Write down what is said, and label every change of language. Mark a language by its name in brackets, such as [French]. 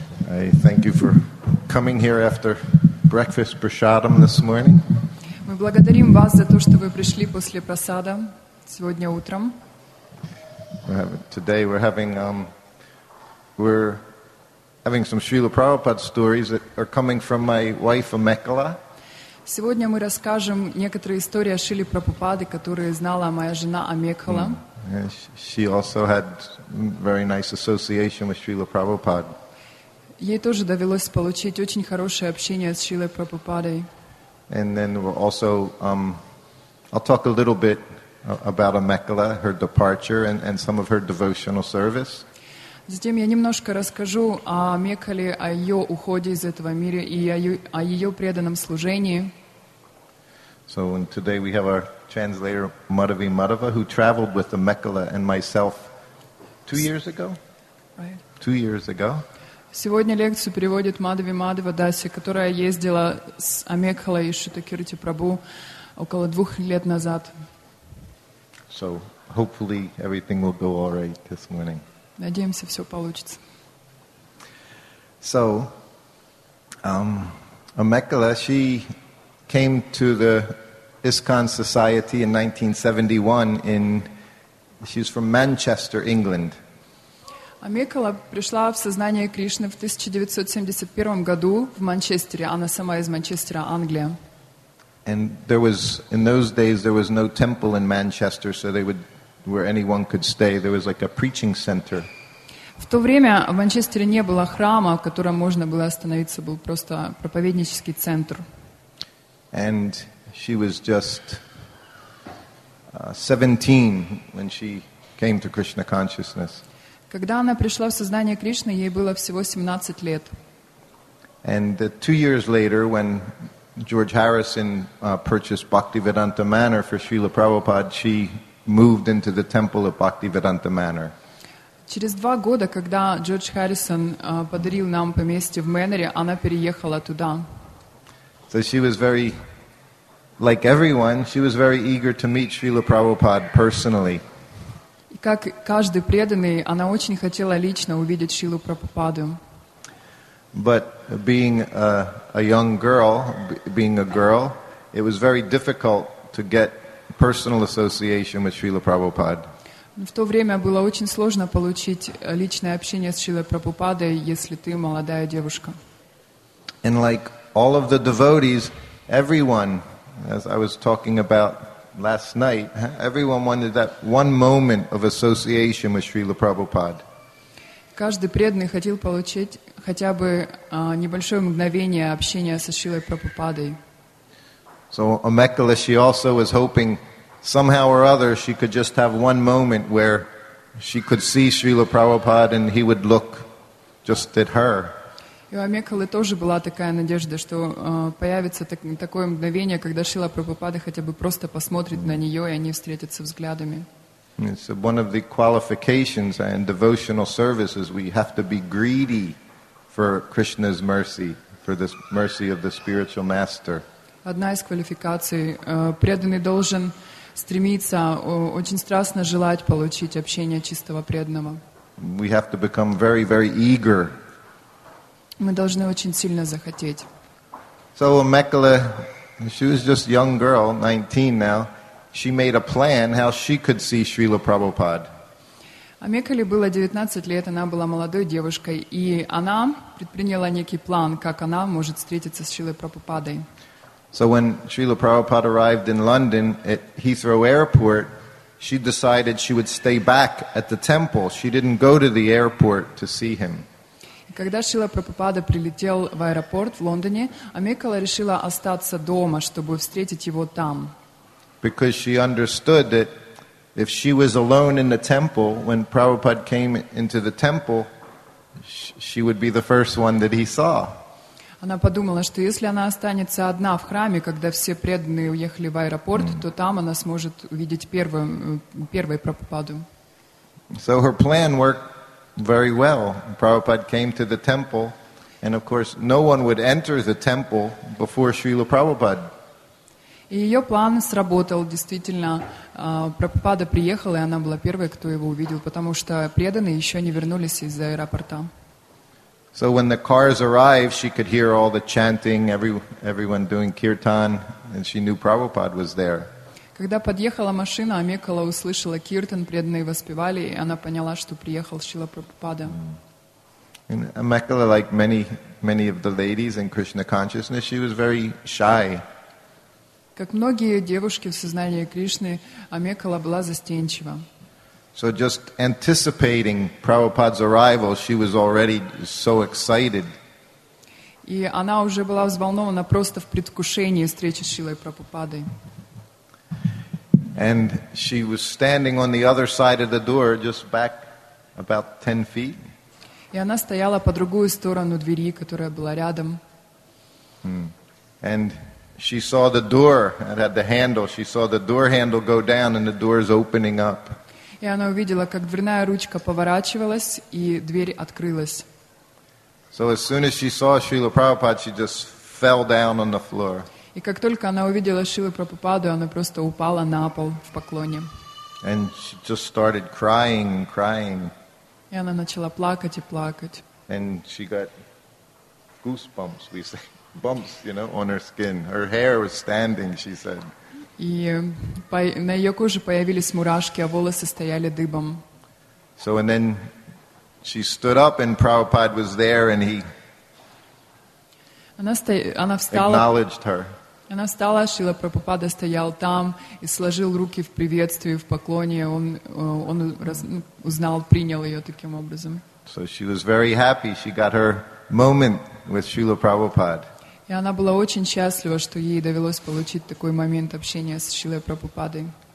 [English] I thank you for coming here after breakfast prasadam this morning. [Russian] Мы благодарим вас за то, что вы пришли после просада сегодня утром. [English] Today we're having some Srila Prabhupada stories that are coming from my wife Amekala. [Russian] Сегодня мы расскажем некоторые истории о Шриле Прабхупаде, которые знала моя жена Амекхала. [English] She also had very nice association with Srila Prabhupada. [Russian] Ей тоже довелось получить очень хорошее общение с Шрилой Прабхупадой. [English] And then we'll also, I'll talk a little bit about Amekhala, her departure, and some of her devotional service. [Russian] Затем я немножко расскажу о Амекхале, о ее уходе из этого мира и о ее преданном служении. [English] So and today we have our translator Madhavi Madhava, who traveled with Amekhala and myself 2 years ago. Right. 2 years ago. [Russian] Сегодня лекцию переводит Мадхави Мадхава Даси, которая ездила с Амекхалой и Шутакирти Прабу около 2 лет назад. [English] So hopefully everything will go all right this morning. [Russian] Надеемся, все получится. [English] So Amekhala, she came to the ISKCON Society in 1971. She's from Manchester, England. [Russian] Амекхала пришла в сознание Кришны в 1971 году в Манчестере. Она сама из Манчестера, Англия. [English] And there was in those days there was no temple in Manchester, so they would where anyone could stay. There was like a preaching center. [Russian] В то время в Манчестере не было храма, в котором можно было остановиться, был просто проповеднический центр. [English] And she was just 17 when she came to Krishna consciousness. [Russian] Когда она пришла в сознание Кришны, ей было всего 17 лет. [English] And 2 years later, when George Harrison purchased Bhaktivedanta Manor for Srila Prabhupada, she moved into the temple of Bhaktivedanta Manor. [Russian] Через 2 года, когда Джордж Харрисон подарил нам поместье в Мэннере, она переехала туда. [English] So she was very, like everyone, she was very eager to meet Srila Prabhupada personally. [Russian] Как каждый преданный, она очень хотела лично увидеть Шрилу Прабхупаду. [English] But being a young girl, being a girl, it was very difficult to get personal association with Srila Prabhupada. [Russian] В то время было очень сложно получить личное общение с Шрилой Прабхупадой, если ты молодая девушка. [English] And like all of the devotees, everyone, as I was talking about last night, everyone wanted that one moment of association with Srila Prabhupada. [Russian] Каждый преданный хотел получить хотя бы небольшое мгновение общения со Шрилой Прабхупадой. [English] So Amekhala, she also was hoping somehow or other she could just have one moment where she could see Srila Prabhupada and he would look just at her. [Russian] И у Амекхалы тоже была такая надежда, что появится такое мгновение, когда Шрила Прабхупада хотя бы просто посмотрит на нее, и они встретятся взглядами. [English] It's one of the qualifications in devotional services. We have to be greedy for Krishna's mercy, for this mercy of the spiritual master. [Russian] Одна из квалификаций. Преданный должен стремиться, очень страстно желать получить общение чистого преданного. [English] We have to become very, very eager. [Russian] Мы должны очень сильно захотеть. [English] So Amekhala, she was just a young girl, 19 now. She made a plan how she could see Srila Prabhupada. [Russian] Амекхале было 19 лет, она была молодой девушкой, и она предприняла некий план, как она может встретиться с Шрилой Прабхупадой. [English] So when Srila Prabhupada arrived in London at Heathrow Airport, she decided she would stay back at the temple. She didn't go to the airport to see him. [Russian] Когда Шрила Прабхупада прилетел в аэропорт в Лондоне, Амекхала решила остаться дома, чтобы встретить его там. [English] Because she understood that if she was alone in the temple, when Prabhupada came into the temple, she would be the first one that he saw. [Russian] Она подумала, что если она останется одна в храме, когда все преданные уехали в аэропорт, то там она сможет увидеть первой Прабхупаду. [English] So her plan worked very well. Prabhupada came to the temple, and of course, no one would enter the temple before Srila Prabhupada. [Russian] И ее план сработал, действительно. Прабхупада приехала, и она была первой, кто его увидел, потому что преданные еще не вернулись из аэропорта. [English] So when the cars arrived, she could hear all the chanting, everyone doing kirtan, and she knew Prabhupada was there. [Russian] Когда подъехала машина, Амекала услышала киртан, преданные воспевали, и она поняла, что приехал Шрила Прабхупада. [English] And Amekala, like many of the ladies in Krishna consciousness, she was very shy. [Russian] Как многие девушки в сознании Кришны, Амекала была застенчива. [English] So just anticipating Prabhupada's arrival, she was already so excited. [Russian] И она уже была взволнована просто в предвкушении встречи с Шрилой Прабхупадой. [English] And she was standing on the other side of the door, just back about 10 feet. [Russian] И она стояла по другую сторону двери, которая была рядом. [English] And she saw the door, it had the handle, she saw the door handle go down and the door is opening up. [Russian] И она увидела, как дверная ручка поворачивалась, и дверь открылась. И как только она увидела Шрилу Прабхупаду, она просто упала на пол в поклоне. [English] And she just started crying and crying. [Russian] И она начала плакать и плакать. [English] And she got goosebumps, we say. Bumps, you know, on her skin. Her hair was standing, she said. [Russian] И на ее коже появились мурашки, а волосы стояли дыбом. [English] So and then she stood up and Prabhupada was there and he acknowledged her. [Russian] Она встала, Шрила Прабхупада стоял там и сложил руки в приветствии, в поклоне. Он узнал, принял ее таким образом. [English] So she was very happy. She got her moment with Srila Prabhupada. [Russian] И она была очень счастлива, что ей довелось получить такой момент общения с Шрилой Прабхупадой.